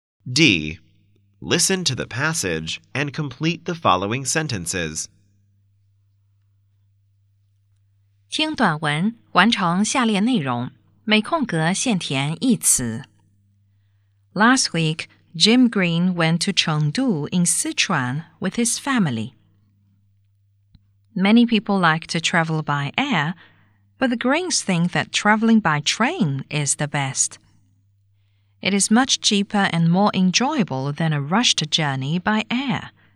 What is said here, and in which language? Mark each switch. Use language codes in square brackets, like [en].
[en] D. Listen to the passage and complete the following sentences. [zh] 听短文，完成下列内容，每空格限填一词。 [en] Last week, Jim Green went to Chengdu in Sichuan with his family. Many people like to travel by air, but the Greens think that traveling by train is the best. It is much cheaper and more enjoyable than a rushed journey by air.